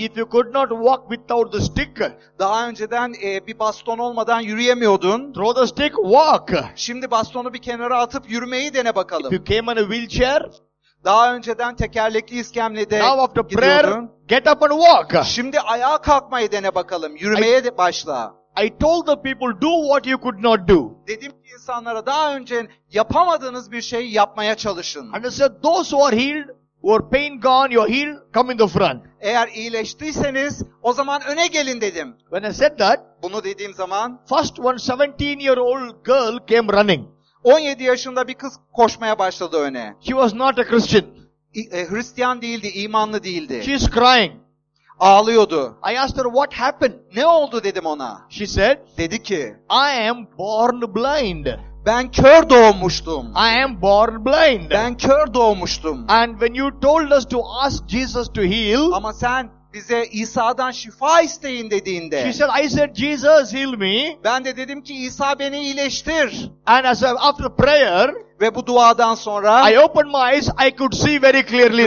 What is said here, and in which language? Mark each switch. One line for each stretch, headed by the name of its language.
English: If you could not walk without the stick.
Turkish: Daha önceden bir baston olmadan yürüyemiyordun.
English: Throw the stick, walk.
Turkish: Şimdi bastonu bir kenara atıp yürümeyi dene bakalım.
English: If you came on a wheelchair.
Turkish: Daha önceden tekerlekli iskemlede gidiyordun.
English: Now after prayer get up and walk.
Turkish: Şimdi ayağa kalkmayı dene bakalım. Yürümeye de başla.
English: I told the people do what you could not do.
Turkish: Dedim ki insanlara daha önce yapamadığınız bir şeyi yapmaya çalışın.
English: And I said those who are healed, Your pain gone, you're healed, come in the front.
Turkish: Eğer iyileştiyseniz o zaman öne gelin dedim.
English: When I said that,
Turkish: bunu dediğim zaman,
English: first one 17 year old girl came running.
Turkish: 17 yaşında bir kız koşmaya başladı öne.
English: She was not a Christian.
Turkish: Hristiyan değildi, imanlı değildi.
English: She's crying.
Turkish: Ağlıyordu.
English: I asked her what happened.
Turkish: Ne oldu dedim ona.
English: She said,
Turkish: dedi ki,
English: I am born blind.
Turkish: Ben kör doğmuştum.
English: I am born blind.
Turkish: Ben kör doğmuştum.
English: And when you told us to ask Jesus to heal,
Turkish: ama sen bize İsa'dan şifa isteyin dediğinde,
English: she said, I said, Jesus heal me.
Turkish: Ben de dedim ki İsa beni iyileştir.
English: And as a, after prayer,
Turkish: ve bu duadan sonra,
English: I opened my eyes, I could see very clearly now.